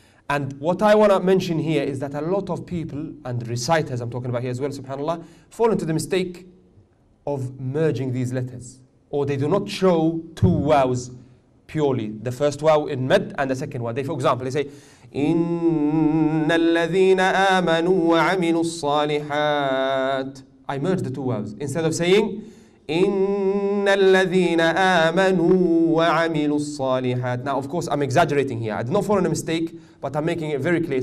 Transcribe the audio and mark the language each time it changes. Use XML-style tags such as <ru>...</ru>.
<en>And what I want to mention here is that a lot of people and reciters I'm talking about here as well, subhanAllah, fall into the mistake of merging these letters. Or they do not show two waws purely. The first waw in mad and the second one. For example, they say,</en> <ar>إِنَّ الَّذِينَ آمَنُوا وَعَمِلُوا الصَّالِحَاتِ.</ar> <en>I merge the two waws. Instead of saying,</en> <ar>إِنَّ الَّذِينَ آمَنُوا وَعَمِلُوا الصَّالِحَاتِ.</ar> <en>Now, of course, I'm exaggerating here. I did not fall in a mistake, but I'm making it very clear.</en>